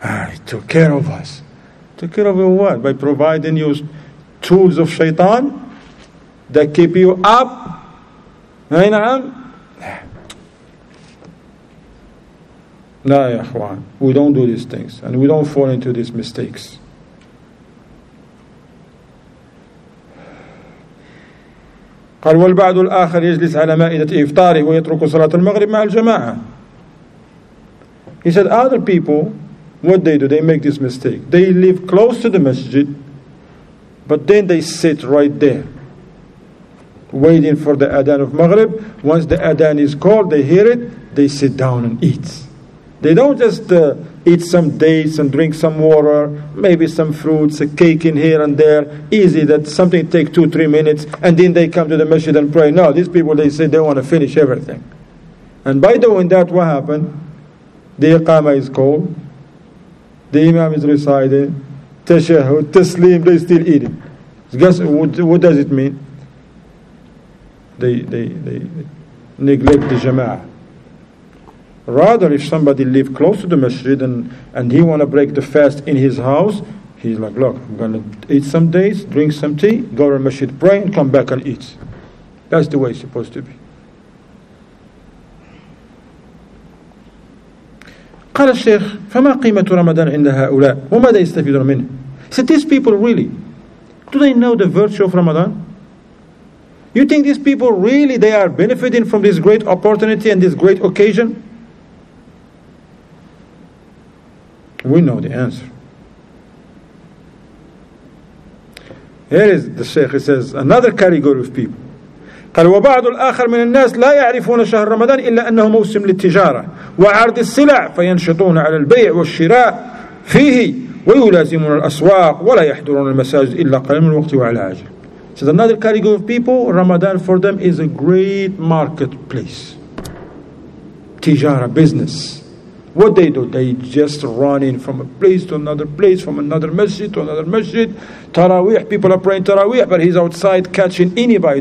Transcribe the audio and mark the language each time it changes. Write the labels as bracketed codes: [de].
[en] He took care of us. Took care of you what? By providing you tools of shaitan that keep you up. No, Yahwan. We don't do these things and we don't fall into these mistakes. [ar] قال والبعض الآخر يجلس على مائدة إفطاره ويترك صلاة المغرب مع الجماعة. [en] He said other people, what they do? They make this mistake. They live close to the masjid. But then they sit right there, waiting for the Adhan of Maghrib. Once the Adhan is called, they hear it, they sit down and eat. They don't just eat some dates and drink some water, maybe some fruits, a cake in here and there. Easy, that something takes 2-3 minutes, and then they come to the masjid and pray. No, these people, they say they want to finish everything. And by doing that, what happened? The Iqamah is called, the Imam is reciting, Tashahud, Taslim, they still eating. Guess what does it mean? They neglect the Jama'ah. Rather, if somebody live close to the masjid and he want to break the fast in his house, he's like, look, I'm going to eat some dates, drink some tea, go to the masjid, pray, and come back and eat. That's the way it's supposed to be. [ar] قال الشيخ فما قيمة رمضان عند هؤلاء وماذا يستفيدون منه. [en] He said, these people really, do they know the virtue of Ramadan? You think these people really, they are benefiting from this great opportunity and this great occasion? We know the answer. Here is the Sheikh, he says, another category of people. [ar] قال وبعض الآخر من الناس لا يعرفون شهر رمضان إلا أنه موسم للتجارة وعرض السلع فينشطون على البيع والشراء فيه ويلازمون الأسواق ولا يحضرون المساجد إلا قليل من الوقت وعلى عجل. [en] So another category of people, Ramadan for them is a great marketplace. Tijara, business. What they do? They just run in from a place to another place, from another masjid to another masjid. Taraweeh, people are praying Taraweeh, but he's outside catching anybody.